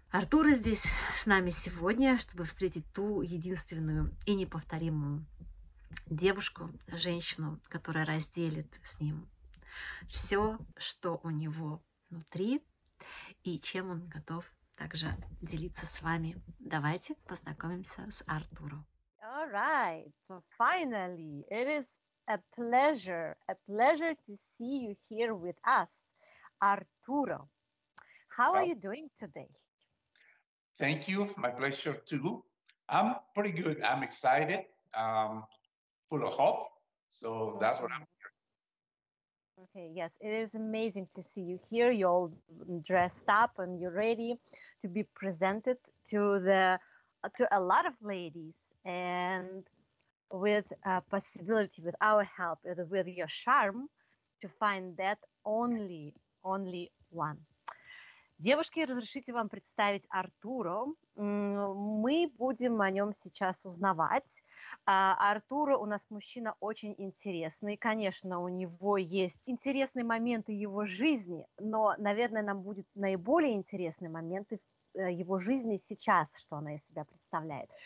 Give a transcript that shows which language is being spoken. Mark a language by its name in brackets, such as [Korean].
[Russian] Артуро здесь с нами сегодня, чтобы встретить ту единственную и неповторимую девушку, женщину, которая разделит с ним все, что у него внутри и чем он готов также делиться с вами. Давайте познакомимся с Артуро. [English] All right, so finally, it is a pleasure to see you here with us, Артуро. How are you doing today? Thank you, my pleasure too. I'm pretty good, I'm excited, full of hope, so that's what I'm here. Okay, yes, it is amazing to see you here. You're all dressed up and you're ready to be presented to a lot of ladies. And with a possibility, with our help, with your charm, to find that only one. [Russian] Девушки, разрешите вам представить Артуро. Мы будем о нем сейчас узнавать. Артуро у нас мужчина очень интересный. Конечно, у него есть интересные моменты его жизни, но, наверное, нам будут наиболее интересные моменты его жизни сейчас, что она из себя представляет.